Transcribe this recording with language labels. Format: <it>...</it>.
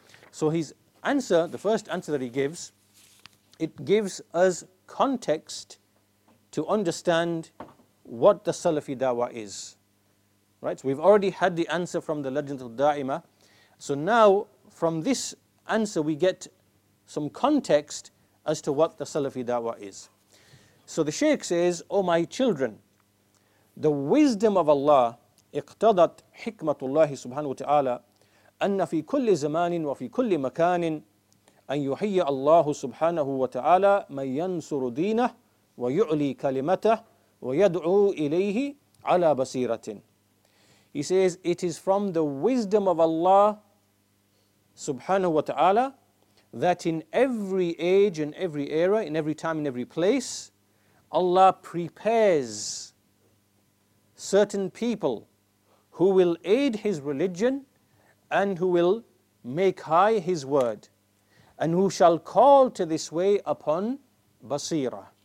<en>So his answer, the first answer that he gives, it gives us context to understand what the Salafi da'wah is. Right, so we've already had the answer from the legend of Da'ima. So now, from this answer, we get some context as to what the Salafi da'wah is. So the Shaykh says, O my children, the wisdom of Allah,</en> <ar>اقتضت حكمة الله سبحانه وتعالى أن في كل زمان وفي كل مكان أن يحيى الله سبحانه وتعالى من ينصر دينه ويعلي كلمته ويدعو إليه على بصيرة.</ar> <en>He says, it is from the wisdom of Allah subhanahu wa ta'ala that in every age and every era, in every time and every place, Allah prepares certain people who will aid his religion and who will make high his word and who shall call to this way upon basira.</en>